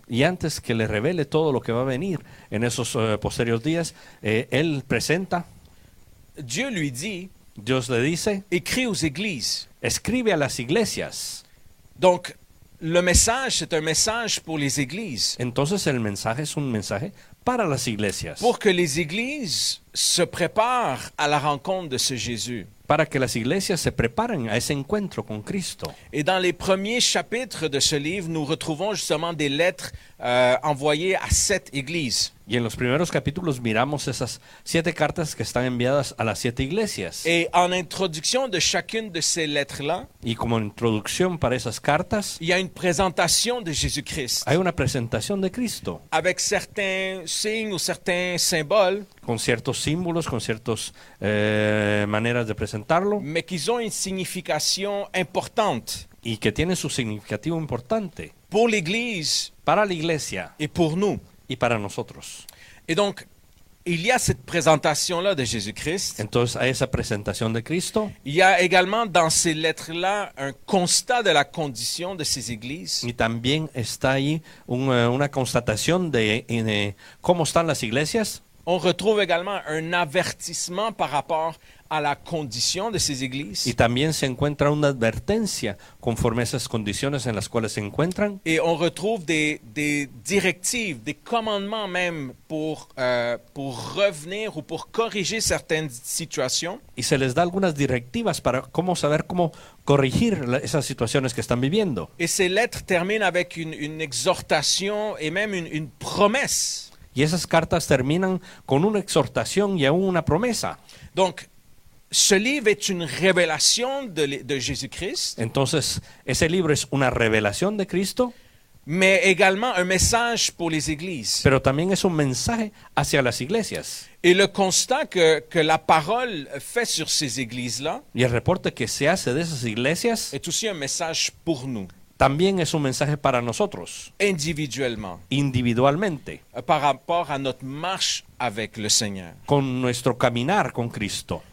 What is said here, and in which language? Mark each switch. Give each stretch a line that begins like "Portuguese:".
Spanish: Y antes que le revele todo lo que va a venir en esos posteriores días, él presenta.
French: Dieu lui dit.
Spanish: Dios le dice.
French: Écris aux églises.
Spanish: Escribe a las iglesias.
French: Donc le message est un message pour les églises.
Spanish: Entonces el mensaje es un mensaje para las iglesias.
French: Pour que les églises se préparent à la rencontre de ce Jésus.
Spanish: Para que las iglesias se preparen a ese encuentro con Cristo.
French: Et dans les premiers chapitres de ce livre, nous retrouvons justement des lettres envoyées à sept églises.
Spanish: Y en los primeros capítulos miramos esas siete cartas que están enviadas a las siete iglesias.
French: Et en introduction de chacune de ces lettres-là,
Spanish: y como introducción para esas cartas,
French: il y a une présentation de Jésus-Christ.
Spanish: Hay una presentación de Cristo.
French: Avec certains signes ou certains symboles.
Spanish: Con ciertos símbolos, con ciertas maneras de presentarlo.
French: Mais qu'ils ont une signification importante.
Spanish: Y que tienen su significativo importante.
French: Pour l'église.
Spanish: Para la iglesia.
French: Et pour nous.
Spanish: Y para nosotros.
French: Et donc, il y a cette présentation-là de Jésus-Christ.
Spanish: Entonces, hay esa presentación de Cristo.
French: Il y a également dans ces lettres-là un constat de la condition de ces églises.
Spanish: Y también está ahí una constatación de cómo están las iglesias.
French: On retrouve également un avertissement par rapport à la condition de ces églises.
Spanish: Y también se encuentra una advertencia conforme a esas condiciones en las cuales se encuentran.
French: Et on retrouve des directives, des commandements même pour revenir ou pour corriger certaines situations.
Spanish: Y se les da algunas directivas para cómo saber cómo corregir esas situaciones que están viviendo.
French: Et ces lettres terminent avec une exhortation et même une promesse.
Spanish: Y esas cartas terminan con una exhortación y aún una promesa.
French: Donc, ce livre est une révélation de Jésus-Christ.
Spanish: Entonces, ese libro es una revelación de Cristo.
French: Mais également un message pour les églises.
Spanish: Pero también es un mensaje hacia las iglesias.
French: Et le constat que la parole fait sur ces églises-là.
Spanish: Y el reporte que se hace de esas iglesias.
French: Est aussi un message pour nous.
Spanish: También es un mensaje para nosotros.
French: Individuellement.
Spanish: Individualmente.
French: Par rapport à notre marche avec le Seigneur.
Spanish: Con nuestro caminar con Cristo.